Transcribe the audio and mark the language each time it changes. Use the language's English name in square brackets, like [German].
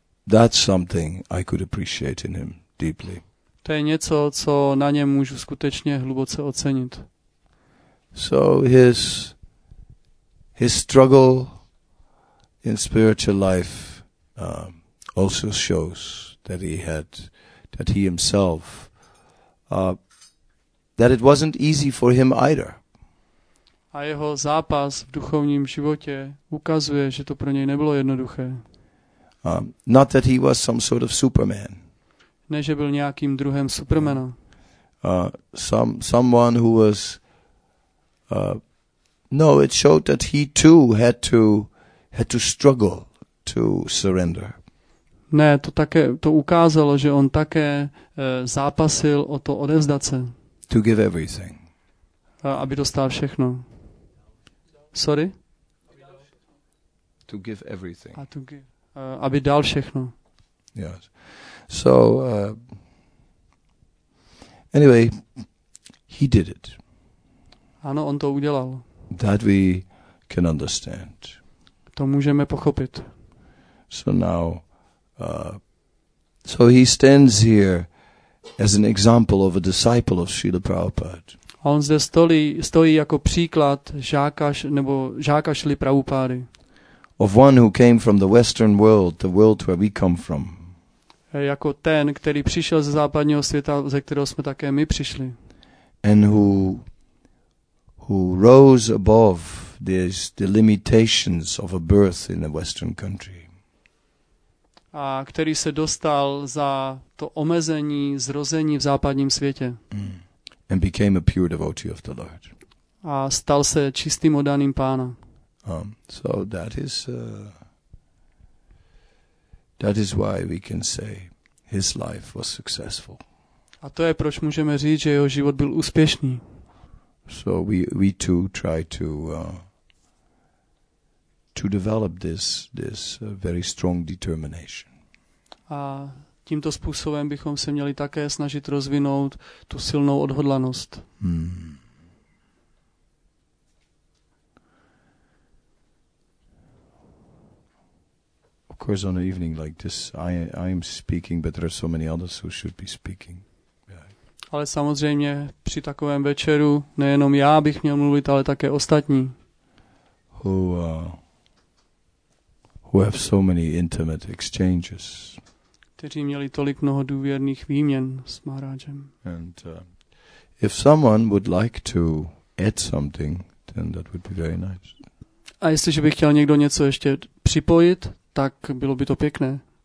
[English] That's something I could appreciate in him deeply. [Czech] To je něco, co na něm můžu skutečně hluboce ocenit. [English] So his struggle in spiritual life also shows that he had that he himself that it wasn't easy for him either. [Czech] A jeho zápas v duchovním životě ukazuje, že to pro něj nebylo jednoduché. [English] Not that he was some sort of Superman. [Czech] Ne, že byl nějakým druhem Supermana. [English] Someone who was it showed that he too had to struggle to surrender. [Czech] Ne, to také to ukázalo, že on také zápasil o to odevzdat se. [English] To give everything. [Czech] Aby dostal všechno. [English] Sorry? To give everything. [Czech] Aby dal všechno. [English] Yes. So, anyway, he did it. [Czech] Ano, on to udělal. [English] That we can understand. [Czech] To můžeme pochopit. [English] So now, so he stands here as an example of a disciple of Srila Prabhupada. [Czech] A on zde stojí jako příklad žáka Šrily Prabhupády. [English] Of one who came from the Western world, the world where we come from. [Czech] Jako ten, který přišel ze západního světa, ze kterého jsme také my přišli. [English] And who rose above the limitations of a birth in a Western country. [Czech] A který se dostal za to omezení zrození v západním světě. [English] And became a pure devotee of the Lord. [Czech] A stal se čistým oddaným pána. [English] So that is why we can say his life was successful. [Czech] A to je proč můžeme říct, že jeho život byl úspěšný. [English] So we too try to develop this very strong determination. [Czech] A tímto způsobem bychom se měli také snažit rozvinout tu silnou odhodlanost. [English] Of course, on an evening like this, I am speaking, but there are so many others who should be speaking. Yeah. [Czech] Ale samozřejmě při takovém večeru nejenom já bych měl mluvit, ale také ostatní. [English] Who have so many intimate exchanges. [Czech] Kteří měli tolik mnoho důvěrných výměn s Maharajem. [English] And if someone would like to add something, then that would be very nice. [Czech] A jestliže by chtěl někdo něco ještě připojit, tak bylo by to pěkné.